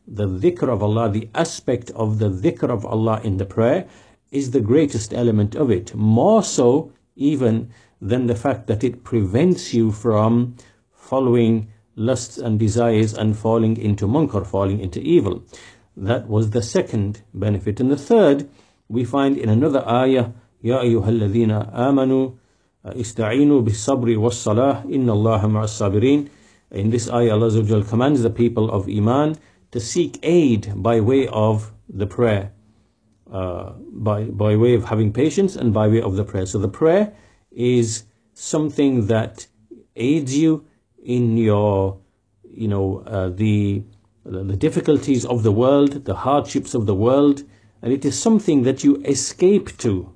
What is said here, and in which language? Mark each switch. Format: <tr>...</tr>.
<en>The dhikr of Allah, the aspect of the dhikr of Allah in the prayer, is the greatest element of it. More so even than the fact that it prevents you from following lusts and desires and falling into munkar, falling into evil. That was the second benefit. And the third, we find in another ayah,</en> <ar>يَا أَيُّهَا الَّذِينَ آمَنُوا إِسْتَعِينُوا بِالصَّبْرِ وَالصَّلَاةِ إِنَّ اللَّهَ مَعَ الصَّابِرِينَ.</ar> <en>In this ayah, Allah Azza wa Jalla commands the people of Iman to seek aid by way of the prayer, by way of having patience and by way of the prayer. So the prayer is something that aids you in your, the difficulties of the world, the hardships of the world, and it is something that you escape to.</en>